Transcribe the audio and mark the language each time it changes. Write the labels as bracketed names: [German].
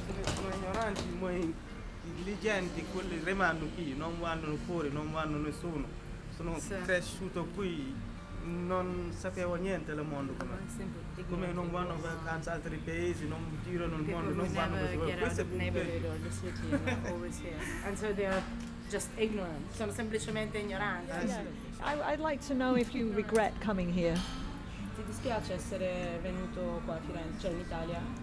[Italian] Sono ignoranti, ma intelligenti, quelli rimangono qui, non vanno fuori, non vanno nessuno. Sono sì. Cresciuto qui, non sapevo niente del mondo come. Come non vanno in vacanza in altri paesi, non girano il mondo, non vanno nessuno. Questo è punto. [English] Neighborhood or the city, you know, always here. And so they're just ignorant. [Italian] Sono semplicemente ignoranti. [English] Yeah. I'd like to know if you regret coming here. [Italian] Ti dispiace essere venuto qua a Firenze, cioè in Italia?